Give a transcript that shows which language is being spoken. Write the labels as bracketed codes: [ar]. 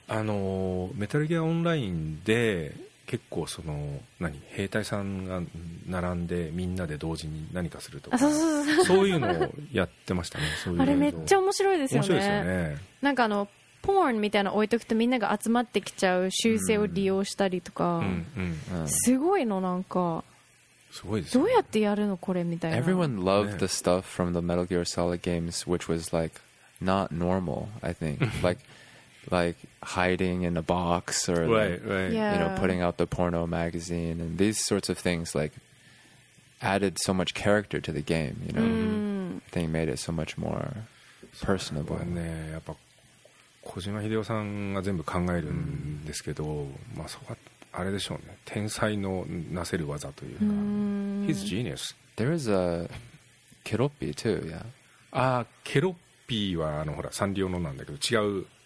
[ja] メタルギアオンラインで結構その何兵隊さんが並んでみんなで同時に何かするとかそういうのをやってましたね。そういうあれめっちゃ面白いですよ ね, 面白いですよね。なんかあのポーンみたいなの置いとくとみんなが集まってきちゃう習性を利用したりとか、うんうんうん、すごいの。なんかすごいです、ね、どうやってやるのこれみたいな。 [en] Everyone loved the stuff from the Metal Gear Solid games which was like not normal I think like hiding in a box or like, right. you know, putting out the porno magazine and these sorts of things like added so much character to the game, you know、 [ja] うん、 [en] they made it so much more personable. [ja] そうだね。やっぱ小島秀夫さんが全部考えるんですけど、うん、まあそこはあれでしょうね、天才のなせる技というか、うん、 [en] He's genius. There is a ケロッピー too, yeah. [ja] ああ、ケロッピーはあのほらサンリオのなんだけど違う、